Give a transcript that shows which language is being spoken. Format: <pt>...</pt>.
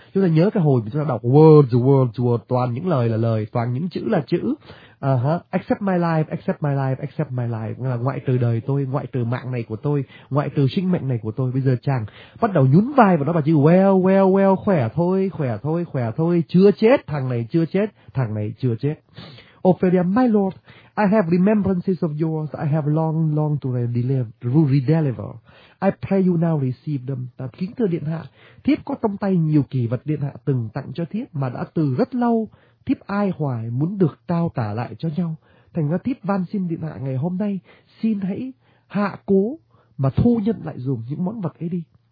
<vi>Chúng ta nhớ cái hồi chúng ta đọc</vi> <en>words, words, words,</en> <vi>toàn những lời là lời, toàn những chữ là chữ.</vi> <en>Accept my life, accept my life,</en> <vi>accept my life, là ngoại trừ đời tôi, ngoại trừ mạng này của tôi, ngoại trừ sinh mệnh này của tôi. Bây giờ chàng bắt đầu nhún vai và nói bà chữ</vi> <en>well, well, well,</en> <vi>khỏe thôi, chưa chết, thằng này chưa chết.</vi> <en>Ophelia, my lord, I have remembrances of yours. I have long, long to redeliver. I pray you now receive them.</en> <vi>Ta kính thưa điện hạ, thiếp có trong tay nhiều kỷ vật điện hạ từng tặng cho thiếp, mà đã từ rất lâu thiếp ai hoài muốn được trao trả lại cho nhau. Thành ra thiếp van xin điện hạ ngày hôm nay, xin hãy hạ cố mà thu nhận lại dùng những món vật ấy đi.</vi>